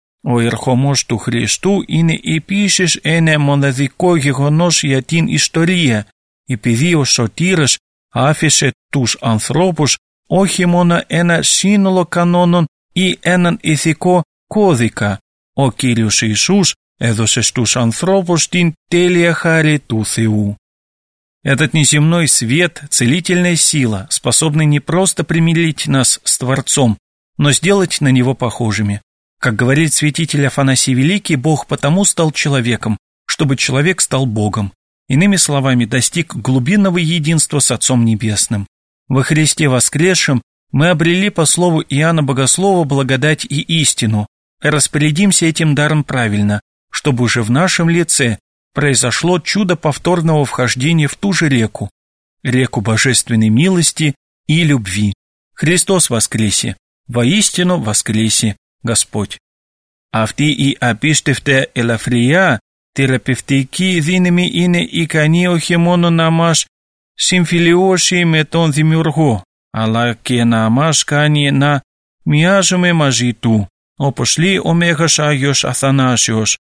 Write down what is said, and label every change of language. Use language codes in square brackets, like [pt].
[el] Ο ερχομός του Χριστού είναι επίσης ένα μοναδικό γεγονός για την ιστορία, επειδή ο Σωτήρας άφησε τους ανθρώπους όχι μόνο ένα σύνολο κανόνων ή έναν ηθικό κώδικα. Ο Κύριος Ιησούς έδωσε στους ανθρώπους την τέλεια χάρη του Θεού. [ru] Этот неземной свет – целительная сила, способная не просто примирить нас с Творцом, но сделать на Него похожими. Как говорит святитель Афанасий Великий, Бог потому стал человеком, чтобы человек стал Богом. Иными словами, достиг глубинного единства с Отцом Небесным. Во Христе воскресшем мы обрели по слову Иоанна Богослова благодать и истину. Распорядимся этим даром правильно, чтобы уже в нашем лице произошло чудо повторного вхождения в ту же реку, реку божественной милости и любви. Христос воскресе! Воистину воскресе, Господь! [el] Αυτοί οι απίστευτε ελαφριά, θεραπευτική δύναμη είναι ικανή όχι μόνο να μας συμφιλιώσει με τον Δημιουργό, αλλά και να μας κάνει να μοιάζουμε μαζί Του, όπως λέει ο Μέγας Άγιος Αθανάσιος.